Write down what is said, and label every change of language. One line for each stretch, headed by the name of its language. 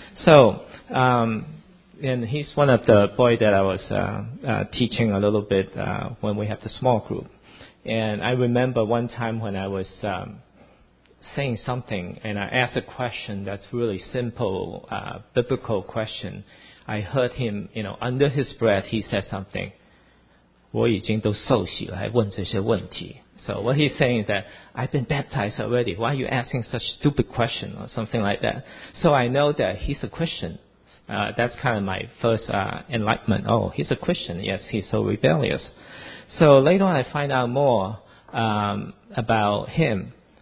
English: So, and he's one of the boys that I was teaching a little bit when we had the small group. And I remember one time when I was saying something, and I asked a question that's really simple, biblical question. I heard him, you know, under his breath, he said something.
Chinese: 我已经都受洗了，还问这些问题。
English: So what he's saying is that, I've been baptized already. Why are you asking such stupid questions or something like that? So I know that he's a Christian. That's kind of my first enlightenment. Oh, he's a Christian. Yes, he's so rebellious. So later on, I find out more about him.